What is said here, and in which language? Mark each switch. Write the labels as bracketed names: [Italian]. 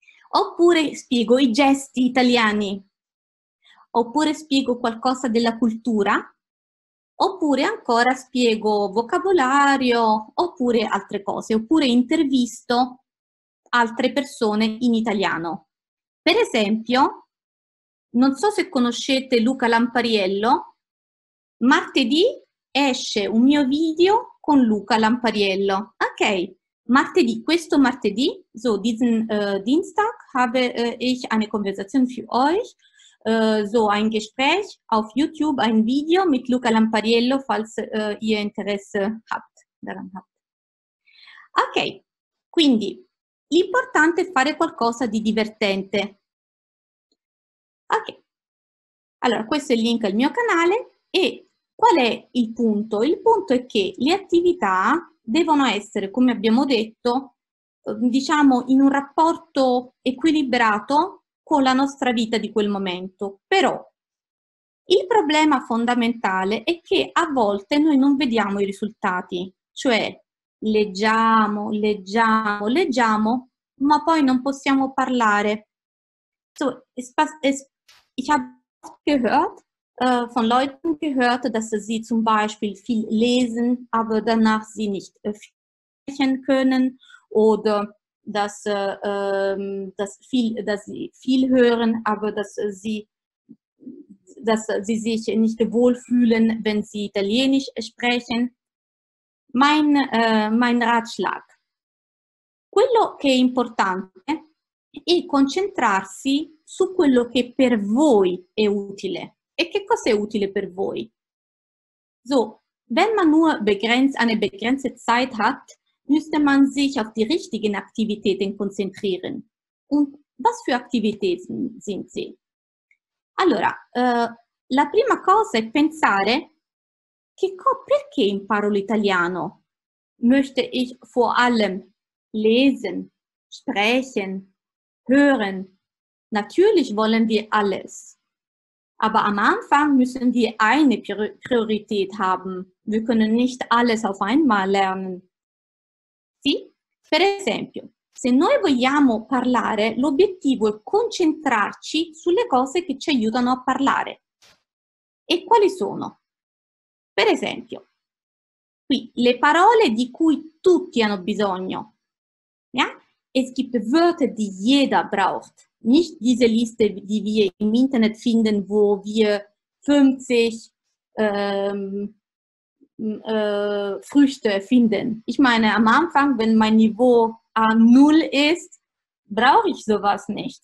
[Italian] Oppure spiego i gesti italiani, oppure spiego qualcosa della cultura, oppure ancora spiego vocabolario, oppure altre cose, oppure intervisto altre persone in italiano. Per esempio, non so se conoscete Luca Lampariello, martedì esce un mio video con Luca Lampariello, ok? [German] Martedì, so diesen Dienstag habe ich eine Konversation für euch, so ein Gespräch auf YouTube, ein Video mit Luca Lampariello, falls ihr Interesse habt, daran habt. [Italian] Ok, quindi l'importante è fare qualcosa di divertente. Ok, allora questo è il link al mio canale e qual è il punto? Il punto è che le attività devono essere, come abbiamo detto, diciamo in un rapporto equilibrato con la nostra vita di quel momento. Però il problema fondamentale è che a volte noi non vediamo i risultati, cioè leggiamo, ma poi non possiamo parlare. [German] So, ich habe gehört von Leuten gehört, dass sie zum Beispiel viel lesen, aber danach sie nicht sprechen können oder dass, dass sie viel hören, aber dass sie sich nicht wohlfühlen, wenn sie Italienisch sprechen. Mein Ratschlag. [Italian] Quello che è importante è concentrarsi su quello che per voi è utile. E che cosa è utile per voi? [German] So, wenn man nur eine begrenzte Zeit hat, müsste man sich auf die richtigen Aktivitäten konzentrieren. Und was für Aktivitäten sind sie? [Italian] Allora, la prima cosa è pensare perché imparo l'italiano? [German] Möchte ich vor allem lesen, sprechen, hören? Natürlich wollen wir alles. Aber am Anfang müssen wir eine Priorität haben. Wir können nicht alles auf einmal lernen. Sì? [Italian] Per esempio, se noi vogliamo parlare, l'obiettivo è concentrarci sulle cose che ci aiutano a parlare. E quali sono? Per esempio, qui, le parole di cui tutti hanno bisogno. [German] Ja? Es gibt Wörter, die jeder braucht. Nicht diese Liste, die wir im Internet finden, wo wir 50 Früchte finden. Ich meine, am Anfang, wenn mein Niveau A0 ist, brauche ich sowas nicht.